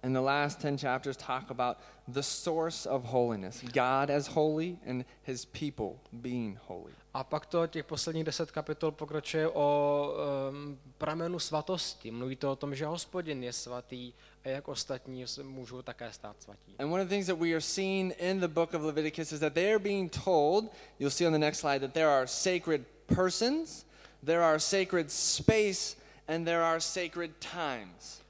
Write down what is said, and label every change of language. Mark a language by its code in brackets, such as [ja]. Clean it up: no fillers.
[en] And the last 10 chapters talk about the source of holiness, God as holy and his people being holy. [cs] A pak to těch posledních 10 kapitol pokračuje o pramenu svatosti. Mluví to o tom, že Hospodin je svatý a jak ostatní můžou také stát svatí. [en] And one of the things that we are seeing in the book of Leviticus is that they are being told, you'll see on the next slide, that there are sacred persons, there are sacred space, and there are sacred times.